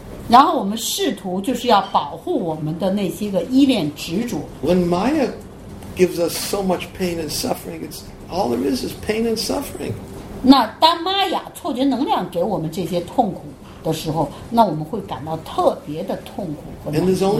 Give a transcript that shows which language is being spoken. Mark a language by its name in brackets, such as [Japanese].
[Chinese] 然后我们试图就是要保护我们的那些个依恋执着。 [English] When Maya gives us so much pain and suffering, it's all there is pain and suffering. [Chinese] 那当玛雅错觉能量给我们这些痛苦的时候，那我们会感到特别的痛苦和难受。